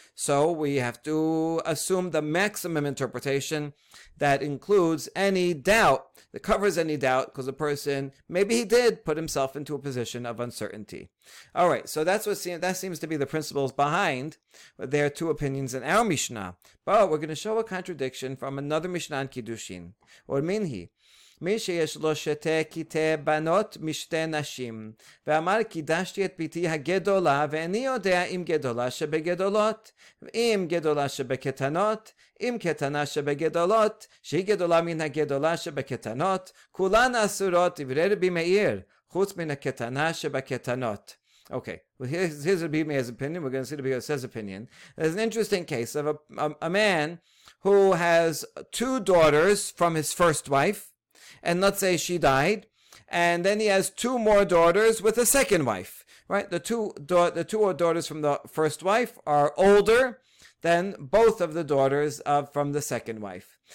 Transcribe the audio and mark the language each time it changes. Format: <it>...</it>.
<en>So we have to assume the maximum interpretation that includes any doubt, that covers any doubt, because a person, maybe he did put himself into a position of uncertainty. All right, so that seems to be the principles behind their two opinions in our Mishnah. But we're going to show a contradiction from another Mishnah in Kiddushin. What mean he?</en> <he>מי שיש לו שתי כיתה בנות משתי נשים, ואמר קידשתי את ביתי הגדולה, ואני יודע אם גדולה שבגדולות, אם גדולה שבקטנות, אם קטנה שבגדולות, שהיא גדולה מן הגדולה שבקטנות, כולן אסורות, דברי רבי מאיר, חוץ מן הקטנה שבקטנות.</he> <en>Okay, well, here's Rabbi Meir's opinion. We're going to see Rabbi Yose's opinion. There's an interesting case of a man who has two daughters from his first wife, and let's say she died, and then he has two more daughters with a second wife, right? The two daughters from the first wife are older than both of the daughters from the second wife.</en>